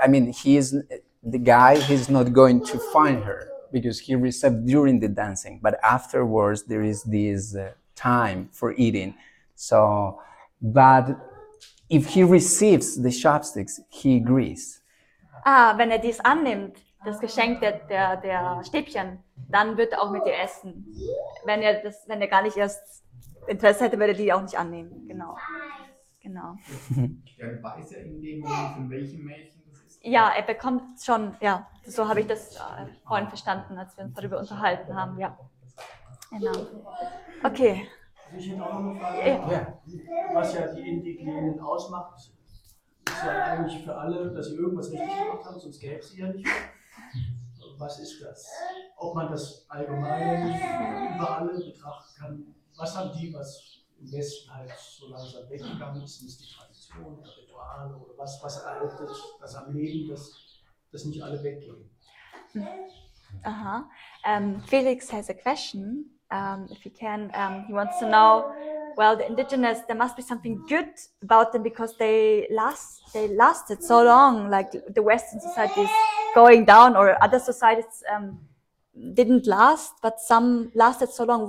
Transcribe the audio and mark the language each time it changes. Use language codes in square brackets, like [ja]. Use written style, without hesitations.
[en] I mean, the guy is not going to find her because he received during the dancing, but afterwards there is this time for eating. So, but if he receives the chopsticks, he agrees. [de] Wenn er dies annimmt, das Geschenk der Stäbchen, dann wird er auch mit ihr essen. Wenn er gar nicht erst Interesse hätte, würde er die auch nicht annehmen. Genau. Genau. Er weiß ja in dem Moment, von welchem Mädchen das ist. Ja, er bekommt schon, ja. So habe ich das vorhin verstanden, als wir uns darüber unterhalten haben. Ja. Genau. Okay. Ich hätte auch noch eine Frage, was ja die Indigenen ausmacht, ist ja eigentlich für alle, dass sie irgendwas richtig gemacht haben, sonst gäbe es sie ja nicht. Was ist das? Ob man das allgemein über alle betrachten kann, was haben die, was im Westen halt so langsam weggegangen ist, ist die Tradition oder Rituale oder was, was erlaubt das, das am Leben, dass das nicht alle weggehen? [en] Aha. Felix has a question. If he can, he wants to know, well, the indigenous, there must be something good about them because they lasted so long, like the Western society is going down or other societies didn't last, but some lasted so long.